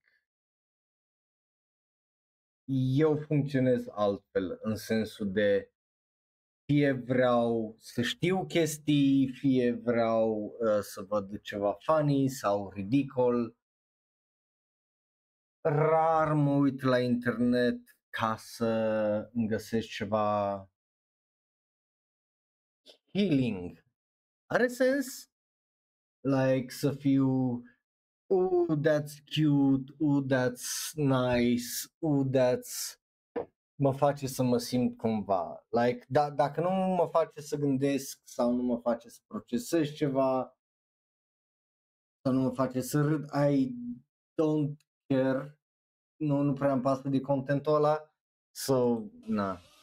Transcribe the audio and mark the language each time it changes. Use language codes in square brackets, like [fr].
[ro] Like, eu funcționez altfel, în sensul de fie vreau să știu chestii, fie vreau să văd ceva funny sau ridicol. Rar mă uit la internet ca să îmi găsesc ceva healing. Are sens? Like, să fiu... [en] Ooh, that's cute, ooh, that's nice, ooh, that's... [ro] Mă face să mă simt cumva. Like, dacă nu mă face să gândesc sau nu mă face să procesez ceva, sau nu mă face să râd, [en] I don't care. [ro] Nu prea am pasă de contentul ăla. So, na.